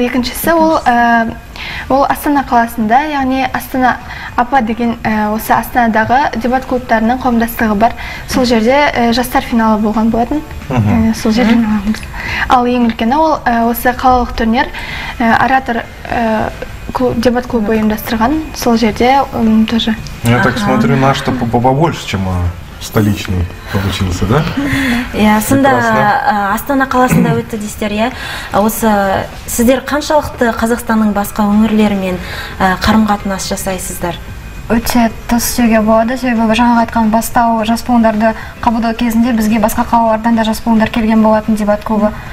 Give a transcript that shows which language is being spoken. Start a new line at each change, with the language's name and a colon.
Kazakh: екіншісі ол Астана қаласында, яғни Астана АПА деген осы Астанадағы дебат клубтарының қауымдастығы бар. Сол жерде жастар финалы болған болатын. Сол жерде ойнаймыз. Ал ең үлкені ол осы қалалық турнир оратор дебат клубы ұйымдастырған. Сол жерде
Russian: тоже. Я так смотрю, наш-то побольше, чем столичный получился, да?
Kazakh: Иә, сонда Астана қаласында өтті дейсіздер, иә? Осы сіздер қаншалықты Қазақстанның басқа өңірлерімен қарым-қатынас жасайсыздар? Өте тұс істеуге болады, себебі жаңағы айтқан бастау жас буындарды қабылдау кезінде бізге басқа қалалардан да жас буындар келген болатын дебат клубы.